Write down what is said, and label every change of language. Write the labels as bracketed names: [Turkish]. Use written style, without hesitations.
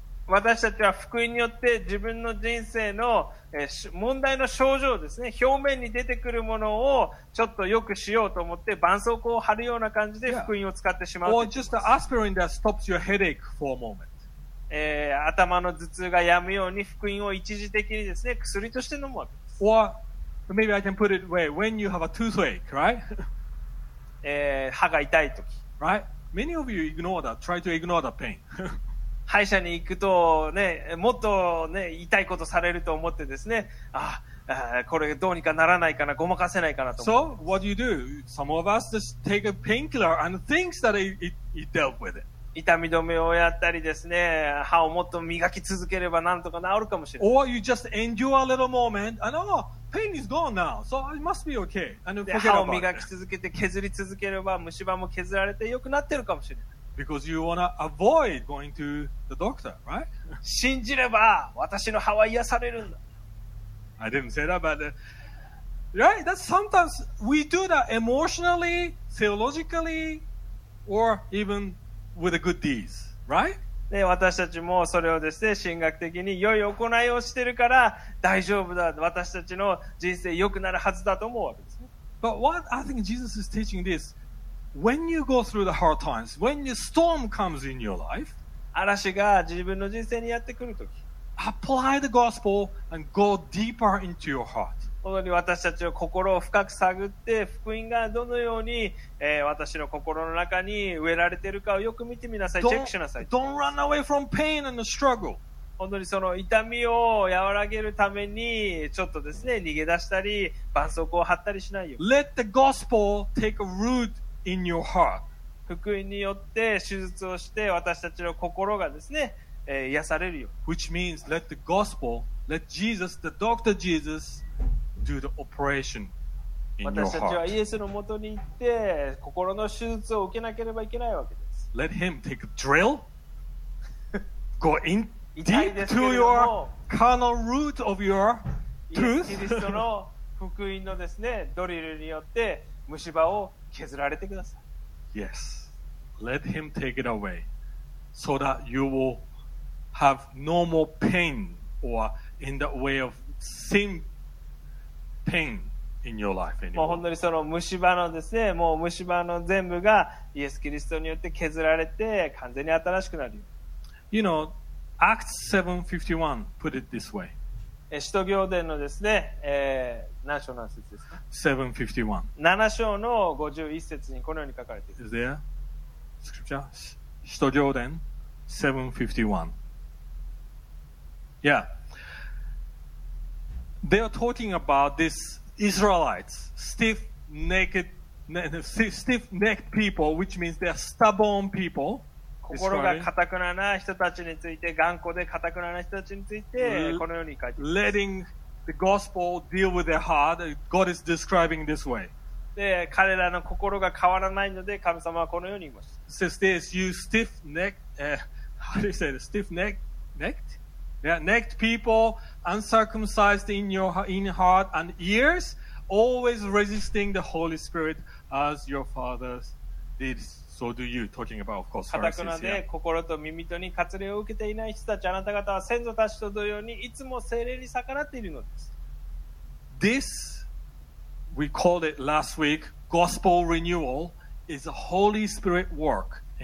[Japanese] 私たちは福音によって自分の人生の問題の症状ですね、表面に出てくるものをちょっと良くしようと思って絆創膏を貼るような感じで福音を使ってしまう。 [English] Or just an aspirin that stops your headache for a moment. [Japanese] 頭の頭痛がやむように福音を一時的にですね、薬として飲むわけです。 [English] Or maybe I can put it away when you have a toothache, right? [Japanese] 歯が痛いとき、 [English] right? Many of you ignore that. Try to ignore that pain. [Japanese] 歯医者に行くと、ね、もっと、ね、痛いことされると思ってですね、ああこれどうにかならないかな、ごまかせないかなと思う。 [English] So what do you do? Some of us just take a painkiller and thinks that it dealt with it. [Japanese] 痛み止めをやったりですね、歯をもっと磨き続ければなんとか治るかもしれない。 [English] Or you just endure a little moment and oh,Pain is gone now, so it must be okay. And forget about it. [Japanese] 歯を磨き続けて削り続ければ虫歯も削られて良くなってるかもしれない。 [English] Because you want to avoid going to the doctor, right? [Japanese] 信じれば私の歯は癒されるんだ。 [English] I didn't say that, but right? That's sometimes we do that emotionally, theologically, or even with the good deeds, right? [Japanese] で私たちもそれをですね、神学的に良い行いをしているから大丈夫だ、私たちの人生良くなるはずだと思うわけですね。 [English] But what I think Jesus is teaching is, when you go through the hard times, when the storm comes in your life, [Japanese] 嵐が自分の人生にやってくるとき、 [English] apply the gospel and go deeper into your heart. [Japanese] 本当に私たちの心を深く探って、福音がどのように、私の心の中に植えられているかをよく見てみなさい、チェックしなさい。 [English] Don't run away from pain and the struggle. [Japanese] 本当にその痛みを和らげるために、ちょっとですね、逃げ出したり、絆創膏を貼ったりしないよ。 [English] Let the gospel take root in your heart. [Japanese] 福音によって手術をして、私たちの心がですね、癒されるよ。 [English] Which means let the gospel, let Jesus, the doctor Jesus, do the operation in your heart. [Japanese] 私たちはイエスの元に行って心の手術を受けなければいけないわけです。 [English] Let him take a drill, go in deep to your carnal root of your truth. [Japanese] イエスキリストの福音のですね、ドリルによって虫歯を削られてください。 [English] Yes, let him take it away, so that you will. Have no more pain or in that way of same pain in your life anymore. [Japanese] もう本当にその虫歯のですね、もう虫歯の全部がイエス・キリストによって削られて完全に新しくなる。 [English] You know, Acts 7:51 put it this way. [Japanese] 使徒行伝のですね、何章何節ですか？7:51。 7章の51節にこのように書かれています [English] 。 Is there scripture? 使徒行伝 7:51. Yeah. They are talking about this Israelites, stiff-necked people, which means they are stubborn people. [Japanese] 心が固くなな人たちについて、頑固で固くなな人たちについて、このように書いています。 [English] Letting the gospel deal with their heart, God is describing this way. [Japanese] で、彼らの心が変わらないので、神様はこのように言います。 [English] Says this, you stiff-necked, how do you say this, stiff-necked? Yeah, necked people, uncircumcised in your in heart and ears, always resisting the Holy Spirit as your fathers did. So do you, talking about, of course, Pharisees. [Japanese] 固くなで心と耳とに割礼を受けていない人たち、あなた方は先祖たちと同様にいつも聖霊に逆らっているのです。 [English] This, we called it last week, gospel renewal, is a Holy Spirit work.